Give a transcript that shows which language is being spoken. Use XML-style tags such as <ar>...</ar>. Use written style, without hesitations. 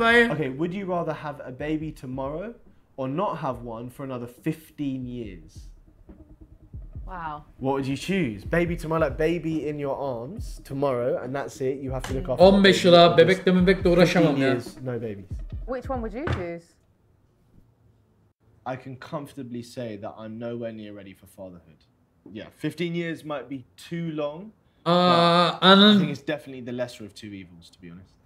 <en>Okay, would you rather have a baby tomorrow or not have one for another 15 years? Wow. What would you choose? Baby tomorrow, like baby in your arms tomorrow and that's it. You have to look after</en> <tr>15 yıla bebekle mebekle uğraşamam ya.</tr> <en>15 years, no babies. Which one would you choose? I can comfortably say that I'm nowhere near ready for fatherhood. Yeah, 15 years might be too long.</en> <tr>Anan...</tr> <en>I think it's definitely the lesser of two evils, to be honest.</en>